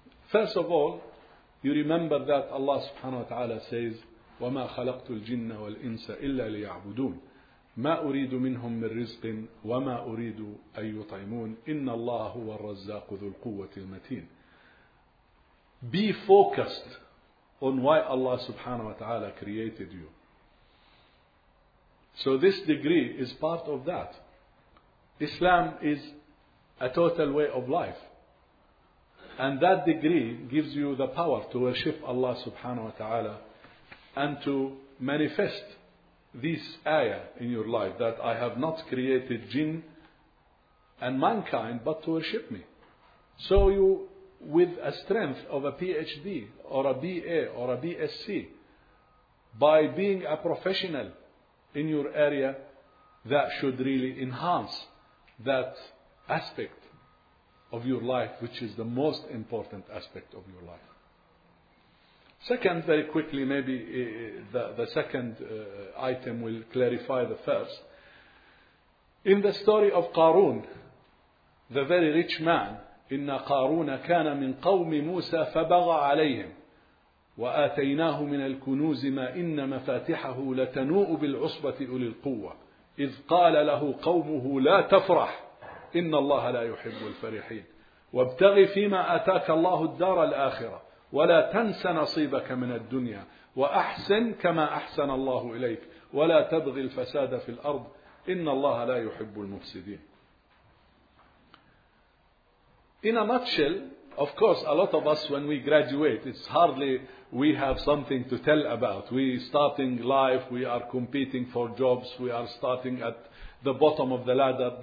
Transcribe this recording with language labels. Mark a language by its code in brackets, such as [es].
[en] First of all, you remember that Allah subhanahu wa ta'ala says, [ar] وَمَا خَلَقْتُ الْجِنَّ وَالْإِنسَ إِلَّا لِيَعْبُدُونَ مَا أُرِيدُ مِنْهُمْ مِنْ رِزْقٍ وَمَا أُرِيدُ أَنْ يُطَعِمُونَ إِنَّ اللَّهَ هُوَ الرَّزَّاقُ ذُو الْقُوَّةِ الْمَتِينَ. [en] Be focused on why Allah subhanahu wa ta'ala created you. So this degree is part of that. Islam is a total way of life. And that degree gives you the power to worship Allah subhanahu wa ta'ala and to manifest this ayah in your life, that I have not created jinn and mankind but to worship me. So you, with a strength of a PhD or a BA or a BSc, by being a professional in your area, that should really enhance that aspect of your life, which is the most important aspect of your life. Second, very quickly, maybe the second item will clarify the first. In the story of Qarun, the very rich man, [ar] إِنَّ قَارُونَ كَانَ مِنْ قَوْمِ مُوسَى فَبَغَى عَلَيْهِمْ وَآتَيْنَاهُ مِنَ الْكُنُوزِ مَا إِنَّ مَفَاتِحَهُ لَتَنُوءُ بِالْعُصْبَةِ أُولِي الْقُوَّةِ إِذْ قَالَ لَهُ قَوْمُهُ لَا تَفْرَحْ إن الله لا يحب الفرحين. وابتغ فيما آتاك الله الدار الآخرة ولا تنس نصيبك من الدنيا وأحسن كما أحسن الله إليك ولا تبغي الفساد في الأرض إن الله لا يحب المفسدين. [en] In a nutshell, of course, a lot of us when we graduate, it's hardly we have something to tell about. We starting life, we are competing for jobs, we are starting at the bottom of the ladder.